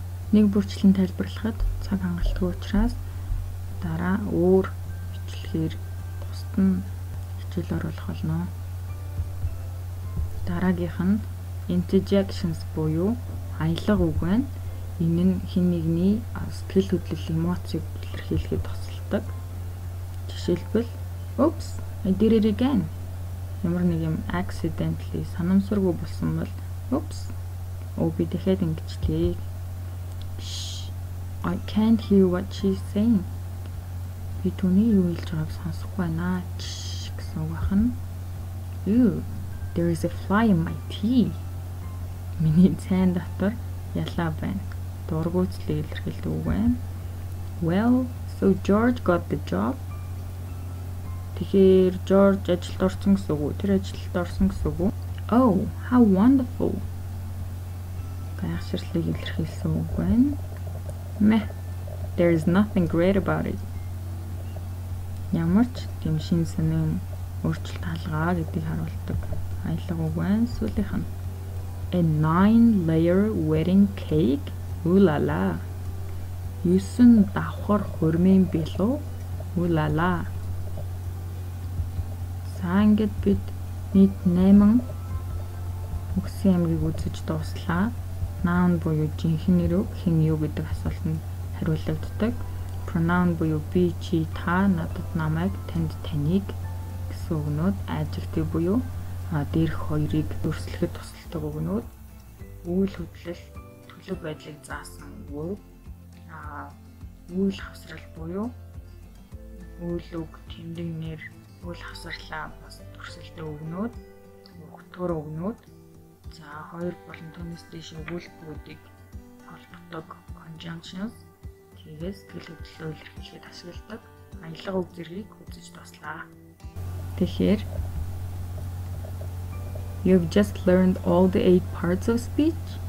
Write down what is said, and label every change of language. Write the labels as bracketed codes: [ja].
[mn] Нэг бүрчлэн тайлбарлахад цаг хангалтгүй учраас дараа өөр хичлэхээр тусад нь хичээл оруулах болно. Дараагийнх нь interjections буюу аялга үг байна. Энэ нь хин нэгний сэтгэл хөдлөл эмоциг илэрхийлэхэд тусалдаг. Жишээлбэл [en] oops, I did it again. [mn] Ямар нэг юм accidentally санамсаргүй болсон бол oops, оо би дахиад ингэчлээ. [en] Shh, I can't hear what she's saying. [mn] Би түүний юу хэлж байгааг сонсохгүй байна гэсэн үг ахна. [en] Ooh, there is a fly in my tea. [mn] Миний цайн дотор ялаа байна. Дургуутлыг илэрхийлдэг үг байна. [en] Well, so George got the job. [mn] Тэгэхээр George ажилд орсон гэсэн үг үү? Тэр ажилд орсон гэсэн үг үү? [en] Oh, how wonderful. [mn] Гайхширлыг илэрхийлсэн үг байна. [en] Meh, there is nothing great about it. [mn] Ямар ч тийм шин сонин өөрчлөлт алгаа гэдгийг харуулдаг аялга үг байна. Сүүлийнх нь [en] a 9-layer wedding cake. [mn] Улала. 9 давхар хөрмийн бэлүү. Улала. За ингээд бид нийт 8 үгсийн амгийг үзэж дууслаа. Noun буюу жинхэнэ нэр үг хин юу гэдэг асуултанд хариулагддаг. Pronoun буюу би, чи, та, надад, намайг, танд, таныг гэсэн үгнүүд. Adjective буюу дээрх хоёрыг өөрчлөхөд тусалдаг үгнүүд. Үйл хөдлөл, төлөв байдлыг заасан үг. Үйл хавсарлал буюу үйл үг, тэмдэг нэр, үйл хавсарлаа бас төрсөлтэй үгнүүд. Өгтгөр үгнүүд. За хоёр болон түүнээс дээш үйлдэлүүдийг холбогдог conjunctions. Тэгээс сэтгэл хөдлөлөө илэрхийлэхэд ашигладаг аялга үг зэргийг үзэж туслаа. Тэгэхээр [en] you've just learned all the 8 parts of speech.